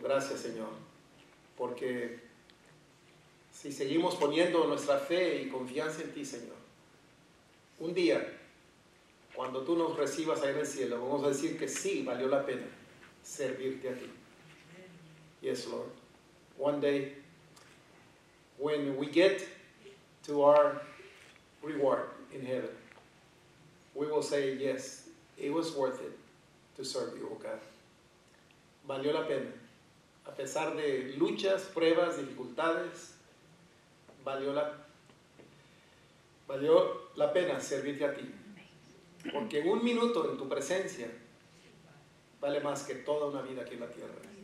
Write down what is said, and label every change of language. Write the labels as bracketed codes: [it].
[es] Gracias, Señor, porque si seguimos poniendo nuestra fe y confianza en ti, Señor, un día, cuando tú nos recibas ahí en el cielo, vamos a decir que sí, valió la pena servirte a ti. [en] Yes, Lord. One day, when we get to our reward in heaven, we will say, yes, it was worth it to serve you, O God. [es] Valió la pena. A pesar de luchas, pruebas, dificultades, valió la pena servirte a ti. Porque un minuto en tu presencia vale más que toda una vida aquí en la tierra.